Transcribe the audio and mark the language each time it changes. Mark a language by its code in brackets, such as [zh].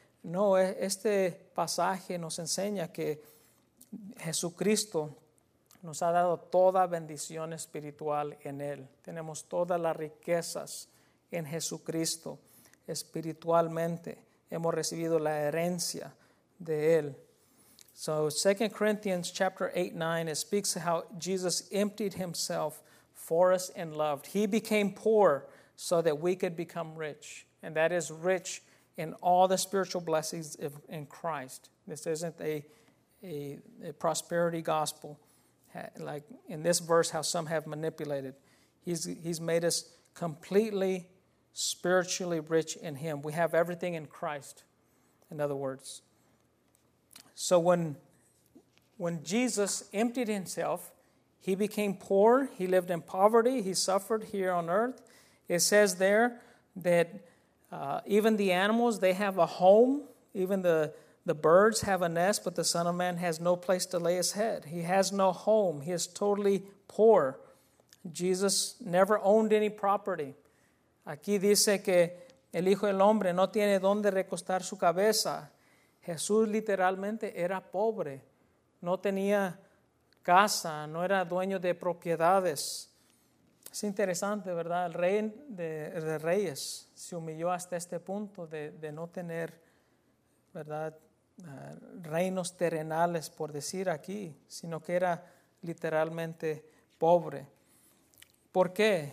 [es] No, este pasaje nos enseña que Jesucristo nos ha dado toda bendición espiritual en Él. Tenemos todas las riquezas en Jesucristo espiritualmente. Hemos recibido la herencia de Él. [en] So 2 Corinthians chapter 8, 9, it speaks how Jesus emptied himself for us and loved. He became poor so that we could become rich. And that is rich in all the spiritual blessings in Christ. This isn't a prosperity gospel like in this verse how some have manipulated. He's made us completely spiritually rich in him. We have everything in Christ, in other words. So when Jesus emptied himself, he became poor, he lived in poverty, he suffered here on earth. It says there that even the animals, they have a home, even the birds have a nest, but the Son of Man has no place to lay his head. He has no home, he is totally poor. Jesus never owned any property. [es] Aquí dice que el Hijo del Hombre no tiene donde recostar su cabeza. Jesús literalmente era pobre, no tenía casa, no era dueño de propiedades. Es interesante, ¿verdad? El rey de reyes se humilló hasta este punto de no tener, ¿verdad?, reinos terrenales, por decir aquí, sino que era literalmente pobre. ¿Por qué?